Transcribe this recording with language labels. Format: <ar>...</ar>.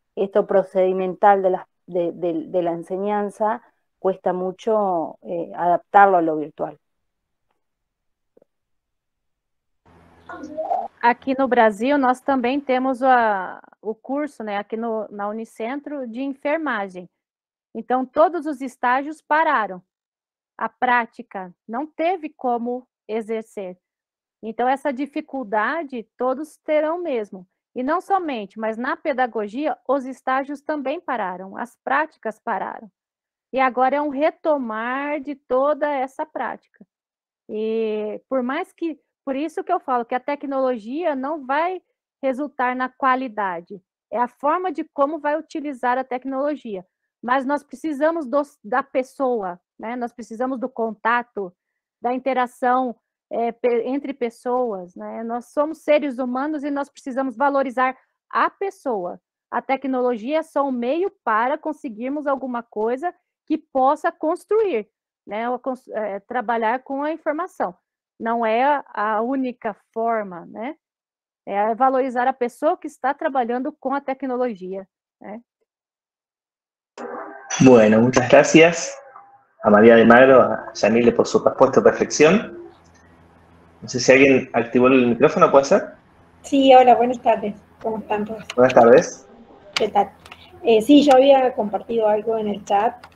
<es>Esto procedimental de la enseñanza cuesta mucho adaptarlo a lo virtual. Aquí en Brasil, nosotros también tenemos el curso, ¿no? Aquí na Unicentro de enfermagem. Entonces, todos los estágios pararon.</es> <pt>A prática, não teve como exercer. Então, essa dificuldade todos terão mesmo. E não somente, mas na pedagogia, os estágios também pararam, as práticas pararam. E agora é um retomar de toda essa prática. E por mais que, por isso que eu falo que a tecnologia não vai resultar na qualidade, é a forma de como vai utilizar a tecnologia. Mas nós precisamos da pessoa, né? Nós precisamos do contato, da interação entre pessoas. Né? Nós somos seres humanos e nós precisamos valorizar a pessoa. A tecnologia é só um meio para conseguirmos alguma coisa que possa construir, né? Trabalhar com a informação. Não é a única forma, né? É valorizar a pessoa que está trabalhando com a tecnologia. Né?</pt> <es>Bueno, muchas gracias. a María de Magro, a Yamile por su respuesta a perfección. No sé si alguien activó el micrófono, ¿puede ser? Sí, hola, buenas tardes. ¿Cómo están todos? Buenas tardes. ¿Qué tal? Sí, yo había compartido algo en el chat.</es>